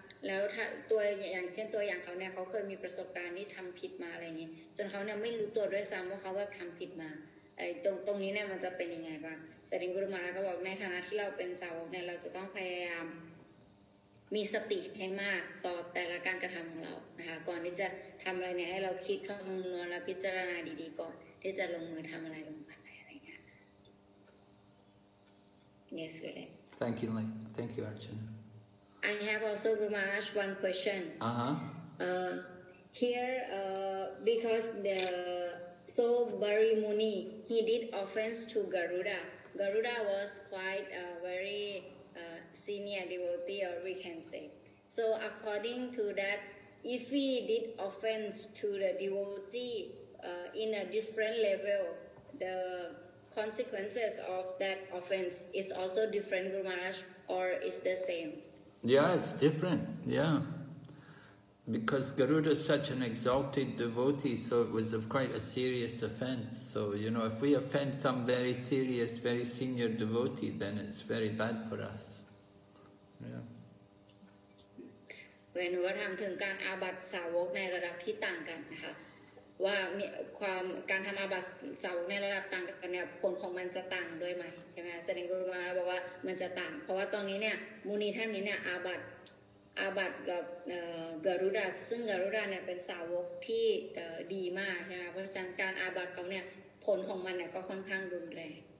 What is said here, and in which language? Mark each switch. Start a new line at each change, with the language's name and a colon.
Thai: แล้วตัวอย่างเช่นตัวอย่างเขาเนี่ยเขาเคยมีประสบการณ์ที่ทำผิดมาอะไรเงี้ยจนเขาเนี่ยไม่รู้ตัวด้วยซ้ำว่าเขาแบบทำผิดมาไอ้ตรงนี้เนี่ยมันจะเป็นยังไงบ้างแต่ริงกุลมาแล้วก็บอกในฐานะที่เราเป็นสาวกเนี่ยเราจะต้องพยายามมีสติให้มากต่อแต่ละการกระทำของเรานะคะก่อนที่จะทำอะไรเนี่ยให้เราคิดคำนวณและพิจารณาดีๆก่อนที่จะลงมือทำอะไรลงไปอะไรเงี้ย
English: yes really thank you Lee thank you Archana I have also Guru Maharaj one question because the so Bari Muni he did offense to Garuda. Garuda was quite a very senior devotee, or we can say. So according to that, if he did offense to the devotee in a different level, the consequences of that offense is also different, Guru Maharaj, or is the same? Yeah, it's different. Yeah. Because Garuda is such an exalted devotee, so it was of quite a serious offense. So, you know, if we offend some very serious, very senior devotee, then it's very bad for us. Yeah. When we talk about
Thai: การอาบัติสาวกในระดับที่ต่างกันนะคะว่าความการทำอาบัติสาวกในระดับต่างกันเนี่ยผลของมันจะต่างด้วยไหมใช่ไหมแสดงกุลมาบอกว่ามันจะต่างเพราะว่าตอนนี้เนี่ยมุนีท่านนี้เนี่ยอาบัติกับGaruda ซึ่งGaruda เนี่ยเป็นสาวกที่ดีมากใช่ไหมเพราะฉะนั้นการอาบัติเขาเนี่ยผลของมันเนี่ยก็ค่อนข้างรุนแรง